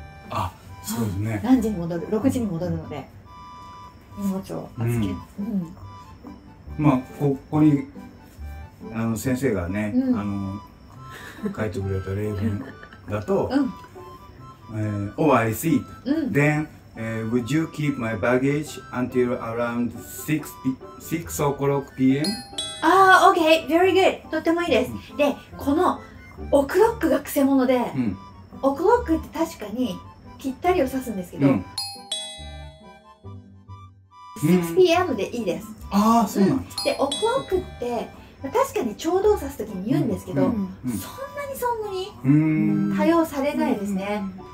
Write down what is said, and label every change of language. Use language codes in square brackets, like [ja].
[ja] あ、そうですね、何時に戻る、6時に戻るので荷物を預け、うんうん、まあここに先生がね、うん、書いてくれた例文だと、うん、 [en] Oh, I see、 [ja] うん、 [en] Then Would you keep my baggage until around 6 o'clock p.m.? [ja] ああ、 [en] OK! Very good! [ja] とってもいいです。うん、で、このオクロックがくせもので、うん、オクロックって確かにぴったりを指すんですけど、うん、6pm でいいです。うん、ああ、そうなんだ、うん。で、オクロックって確かにちょうどを指すときに言うんですけど、うんうんうん、そんなにそんなに多用されないですね。うんうん、